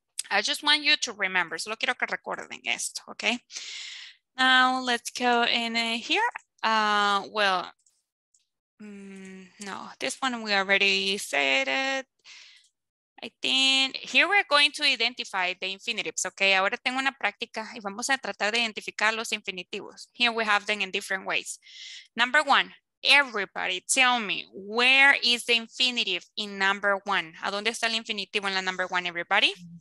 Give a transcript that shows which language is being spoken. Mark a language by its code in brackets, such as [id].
[en] I just want you to remember. [es] Solo quiero que recuerden esto, [en] okay? Now, let's go in here. Well, no, this one we already said it. I think here we're going to identify the infinitives, okay? [es] Ahora tengo una práctica y vamos a tratar de identificar los infinitivos. [en] Here we have them in different ways. Number one, everybody, tell me, where is the infinitive in number one? [es] ¿A dónde está el infinitivo en la [en] number one, everybody?